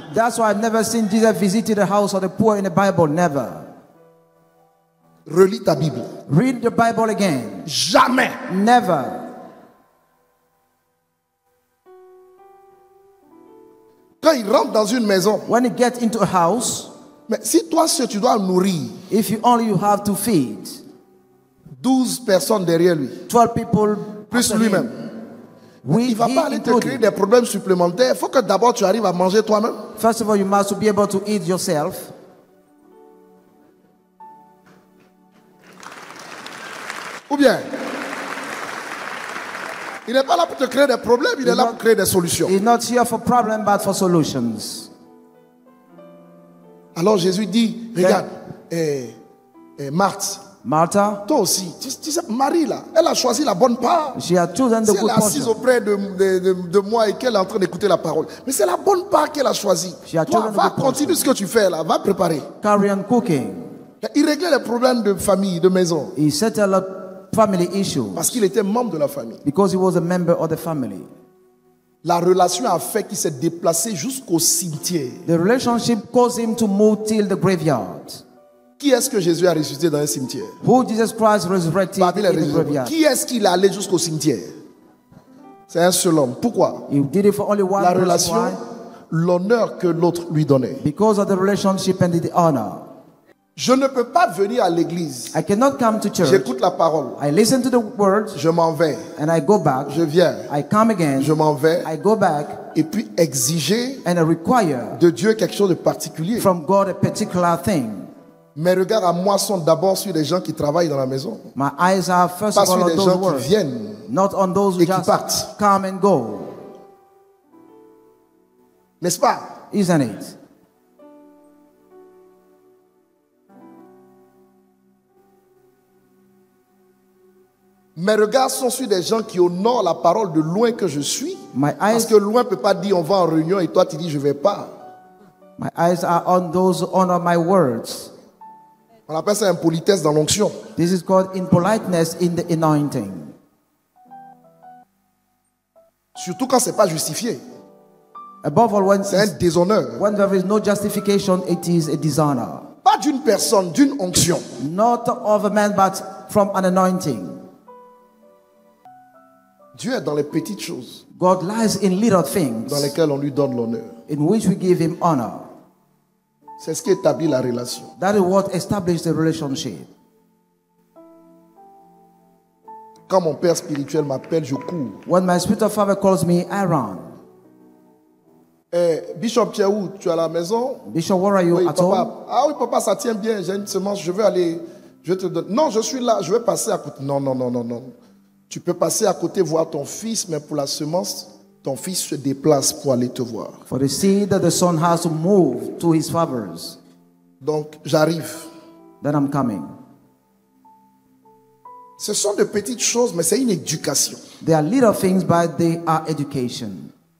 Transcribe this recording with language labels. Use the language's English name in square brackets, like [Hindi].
[English] That's why I've never seen Jesus visit the house of the poor in the Bible, never. [French] Relis ta Bible. [English] Read the Bible again. [French] Jamais. [English] Never. [French] Quand il rentre dans une maison, [English] when he gets into a house, [French] mais si toi seul tu dois nourrir, [English] if you only you have to feed, [French] 12 personnes derrière lui, [English] 12 people [French] plus lui-même, il va pas aller te créer des problèmes supplémentaires. Il faut que d'abord tu arrives à manger toi-même. [English] First of all, you must be able to eat yourself. [French] Ou bien, il n'est pas là pour te créer des problèmes, il est là pour créer des solutions. [English] He's not here for problems, but for solutions. [French] Alors Jésus dit, regarde, Marthe, [English] Martha, [French] toi aussi, tu sais, Marie là, elle a choisi la bonne part. [English] She has chosen the good part. [French] Elle est assise auprès de moi et qu'elle est en train d'écouter la parole. Mais c'est la bonne part qu'elle a choisie. [English] She has chosen the good part. [French] Va continuer ce que tu fais là, va préparer. [English] Carry on cooking. [French] Il réglait les problèmes de famille, de maison. [English] He settled up family issues. [French] Parce qu'il était membre de la famille. [English] Because he was a member of the family. [French] La relation a fait qu'il s'est déplacé jusqu'au cimetière. [English] The relationship caused him to move till the graveyard. [French] Qui est-ce que Jésus a ressuscité dans un cimetière? [English] Who Jesus Christ resurrected in the graveyard? [French] Qui est-ce qu'il est allé jusqu'au cimetière? C'est un seul homme. Pourquoi? [English] He did it for only one. [French] La relation, l'honneur que l'autre lui donnait. [English] Because of the relationship and the honor. [French] Je ne peux pas venir à l'église. [English] I cannot come to church. [French] J'écoute la parole. [English] I listen to the word. [French] Je m'en vais. [English] And I go back. [French] Je viens. [English] I come again. [French] Je m'en vais. [English] I go back. [French] Et puis exiger [English] and I require [French] de Dieu quelque chose de particulier. [English] From God a particular thing. [French] Mes regards à moi sont d'abord sur les gens qui travaillent dans la maison. [English] My eyes are first [French] pas [English] of all [French] sur [English] on [French] les [English] those [French] gens [English] words, [French] qui viennent. [English] Not on those who [French] et qui partent. [English] Come and go. [French] N'est-ce pas? [English] Isn't it? [French] Mes regards sont sur des gens qui honorent la parole de loin que je suis. [English] My eyes, [French] parce que loin ne peut pas dire on va en réunion et toi tu dis je ne vais pas. [English] My eyes are on those who honor my words. [French] On appelle ça impolitesse dans l'onction. [English] This is called impoliteness in the anointing. [French] Surtout quand ce n'est pas justifié. [English] Above all, when [French] c'est un déshonneur. [English] When there is no justification, it is a dishonor. [French] Pas d'une personne, d'une onction. [English] Not of a man, but from an anointing. [French] Dieu est dans les petites choses. [English] God lies in little things. [French] Dans lesquelles on lui donne l'honneur. [English] In which we give him honor. [French] C'est ce qui établit la relation. [English] That is what establishes the relationship. [French] Quand mon père spirituel m'appelle, je cours. [English] When my spiritual father calls me, I run. [French] Hey, Bishop, tu es où? Tu es à la maison? [English] Bishop, where are you [French] oui, [English] at [French] papa. [English] Home? [French] Ah oui, papa, ça tient bien. J'ai une semence. Je veux aller. Je te donne. Non, je suis là. Je vais passer à côté. Non. Tu peux passer à côté voir ton fils, mais pour la semence, ton fils se déplace pour aller te voir. [English] For the seed that the son has to move to his father's. [French] Donc, j'arrive. [English] Then I'm coming. [French] Ce sont de petites choses, mais c'est une éducation. [English] They are little things, but they are education.